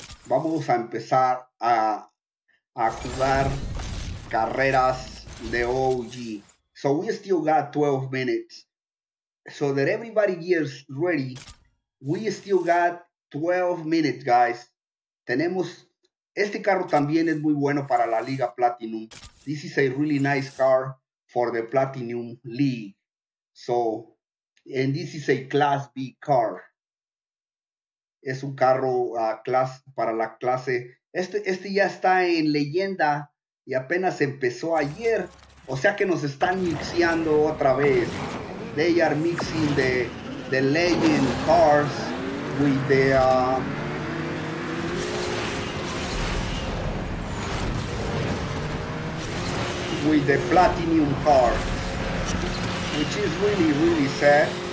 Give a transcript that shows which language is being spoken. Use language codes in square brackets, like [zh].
[es] Vamos a empezar a jugar carreras de OG. [en] So we still got 12 minutes. So that everybody gets ready, we still got 12 minutes, guys. [es] Tenemos, este carro también es muy bueno para la Liga Platinum. [en] This is a really nice car for the Platinum League. So, and this is a Class B car. [es] Es un carro para la clase. Este ya está en leyenda y apenas empezó ayer. O sea que nos están mixeando otra vez. [en] They are mixing the legend cars with the with the platinum car, which is really really sad.